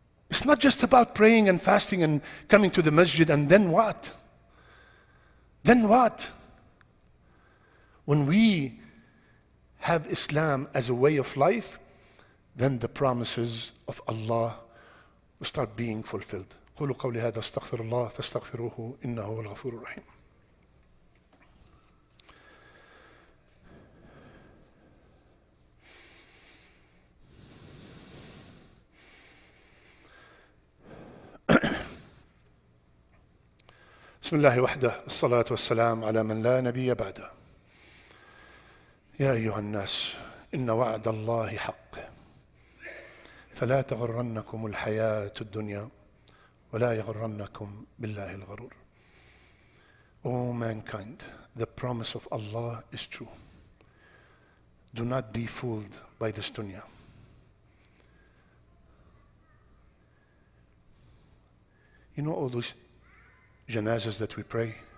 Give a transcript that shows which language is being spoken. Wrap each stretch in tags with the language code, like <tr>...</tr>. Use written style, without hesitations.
<en>It's not just about praying and fasting and coming to the masjid and then what? Then what? When we have Islam as a way of life, then the promises of Allah will start being fulfilled.</en> <ar>قولوا قولي هذا استغفر الله فاستغفروه إنه هو الغفور الرحيم. بسم الله وحده والصلاة والسلام على من لا نبي بعده. يا أيها الناس إن وعد الله حق فلا تغرنكم الحياة الدنيا ولا يغرنكم بالله الغرور.</ar> <en>O mankind, the promise of Allah is true. Do not be fooled by this dunya. You know all those janazas that we pray?</en>